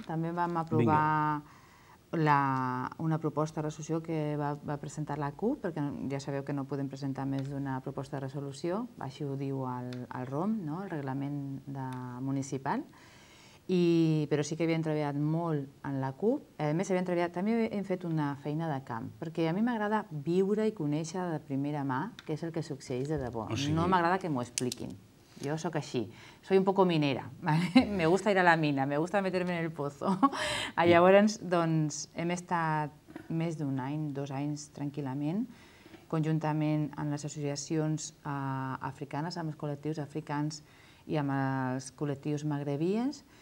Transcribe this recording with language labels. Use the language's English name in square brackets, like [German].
[Catalan] També vam aprovar una proposta de resolució que va presentar la CUP, perquè ja sabeu que no podem presentar més d'una proposta de resolució, així ho diu el ROM, no? El reglament municipal. Però sí que havíem treballat molt en la CUP. A més, també hem fet una feina de camp, perquè a mi m'agrada viure i conèixer de primera mà què és el que succeeix de debò. No m'agrada que m'ho expliquin. [Spanish] Jo soc així, soy un poco minera, me gusta ir a la mina, me gusta meterme en el pozo. [Catalan] Llavors, doncs, hem estat més d'un any, dos anys tranquil·lament, conjuntament amb les associacions africanes, amb els col·lectius africans i amb els col·lectius magrebies.